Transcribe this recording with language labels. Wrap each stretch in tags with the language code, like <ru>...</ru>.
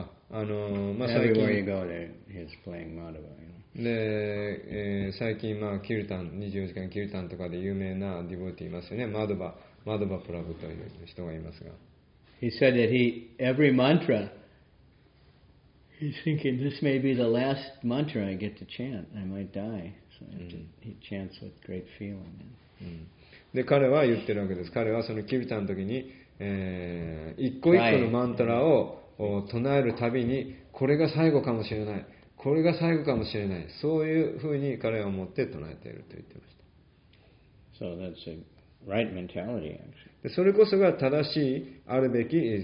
<en>Everywhere you go, he's playing Madhava.</en> <ja>で、最近まあキルタン、24時間キルタンとかで有名なディボティいますよね、マドバプラブという人がいますが。</ja> <en>He said that every mantra. He's thinking this may be the last mantra I get to chant. I might die, so he chants with great feeling.</en> <ja>で彼は言ってるわけです。彼はそのキルタンの時に、一個一個のマントラを唱えるたびにこれが最後かもしれない。これが最後かもしれない。そういうふうに彼は思って唱えていると言ってました。</ja> <en>So that's a right mentality, actually.</en> <ja>でそれこそが正しいあるべき。</ja>